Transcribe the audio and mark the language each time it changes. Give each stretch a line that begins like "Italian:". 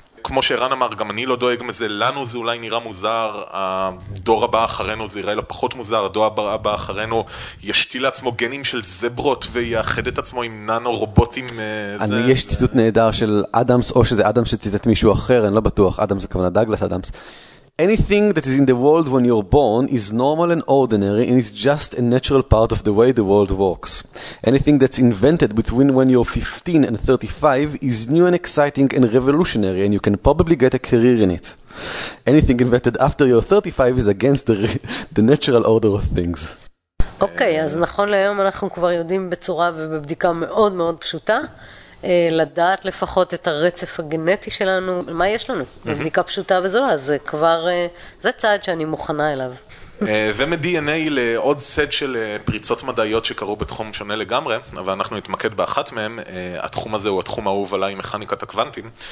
Hebrew: כמו שערן אמר, גם אני לא דואג מזה, לנו זה אולי נראה מוזר, הדור הבא אחרינו זה יראה לו פחות מוזר, הדור הבא אחרינו ישתיל לעצמו גנים של זברות ויאחד את עצמו עם ננו רובוטים. יש ציטוט נהדר של אדמס, או שזה אדמס שציטט מישהו אחר, אני לא בטוח, אדמס הכוונה דאגלס אדמס.
English: Anything that is in the world when you're born is normal and ordinary and is just a natural part of the way the world works. Anything that's invented between when you're 15 and 35 is new and exciting and revolutionary and you can probably get a career in it. Anything invented after you're 35 is against the natural order of things.
Hebrew: אוקיי, אז נכון להיום אנחנו כבר יודעים בצורה ובבדיקה מאוד מאוד פשוטה לדעת לפחות את הרצף הגנטי שלנו, מה יש לנו? בבדיקה פשוטה וזולה, זה כבר, זה צעד שאני מוכנה אליו. ומ-DNA לעוד סט של פריצות מדעיות שקרו בתחום שונה לגמרי, אבל אנחנו נתמקד באחת מהם, התחום הזה הוא התחום האהוב עליי, מכניקת הקוונטים.